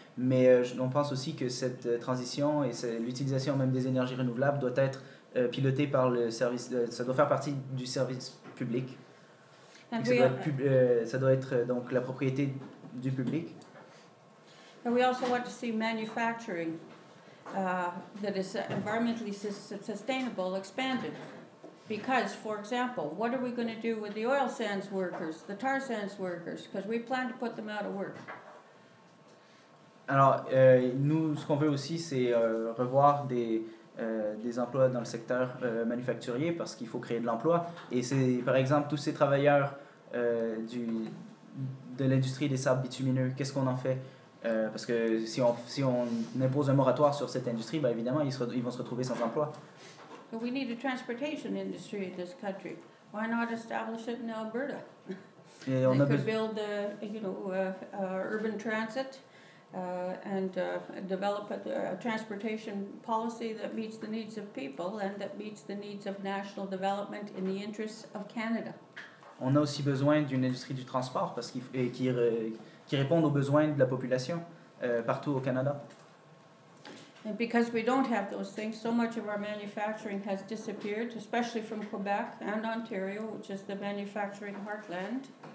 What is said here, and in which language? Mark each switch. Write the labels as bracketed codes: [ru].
[fr] Mais on pense aussi que cette transition et l'utilisation même des énergies renouvelables doit être pilotée par le service, ça doit faire partie du service public. [en] And [fr] ça doit être donc la propriété du public. [en] And we also want to see manufacturing that is environmentally sustainable expanded. Because, for example, what are we going to do with the oil sands workers, the tar sands workers? Because we plan to put them out of work. [fr] Alors, nous, ce qu'on veut aussi, c'est revoir des emplois dans le secteur manufacturier, parce qu'il faut créer de l'emploi. Et c'est, par exemple, tous ces travailleurs de l'industrie des sables bitumineux, qu'est-ce qu'on en fait? Parce que si on impose un moratoire sur cette industrie, bah évidemment, ils vont se retrouver sans emploi. [en] But we need a transportation industry in this country. Why not establish it in Alberta? [fr] Et on [en] a could build a, you know, urban transit and develop a transportation policy that meets the needs of people and that meets the needs of national development in the interests of Canada. [fr] On a aussi besoin d'une industrie du transport parce qu'il faut qui répondent aux besoins de la population partout au Canada. [en] And because we don't have those things, so much of our manufacturing has disappeared, especially from Quebec and Ontario, which is the manufacturing heartland.